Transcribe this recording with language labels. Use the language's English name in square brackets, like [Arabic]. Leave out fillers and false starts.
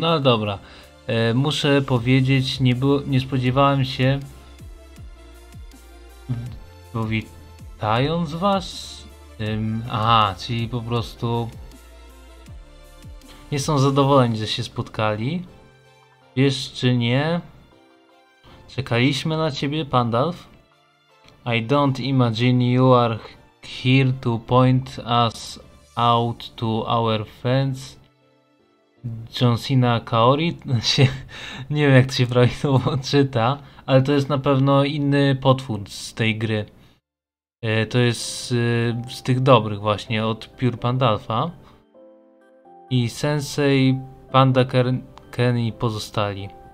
[Polish] No dobra, muszę powiedzieć, nie spodziewałem się, witając was. Aha, czyli po prostu nie są zadowoleni, że się spotkali. Wiesz czy nie? Czekaliśmy na ciebie, Pandalf. [English] I don't imagine you are here to point us out to our friends. John Cena Kaori? [Polish] Nie wiem, jak to się prawidłowo czyta, ale to jest na pewno inny potwór z tej gry. To jest z tych dobrych właśnie, od Pure Pandalfa. I Sensei, Panda Ken i pozostali.